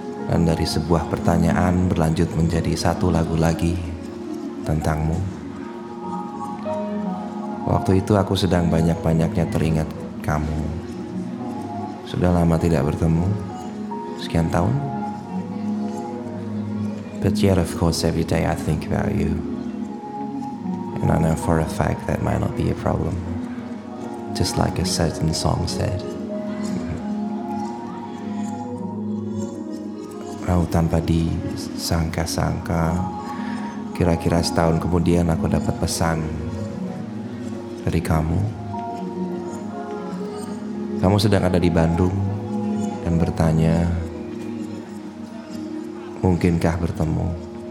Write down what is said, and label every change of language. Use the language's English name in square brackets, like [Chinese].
[Indonesian] Dan dari sebuah pertanyaan berlanjut menjadi satu lagu lagi tentangmu. Waktu itu aku sedang banyak-banyaknya teringat kamu. Sudah lama tidak bertemu, sekian tahun. [English] But yet of course every day I think about you. And I know for a fact that might not be a problem. Just like a certain song said. [Indonesian] Aku tanpa disangka-sangka, kira-kira setahun kemudian aku dapat pesan dari kamu. Kamu sedang ada di Bandung dan bertanya, mungkinkah bertemu?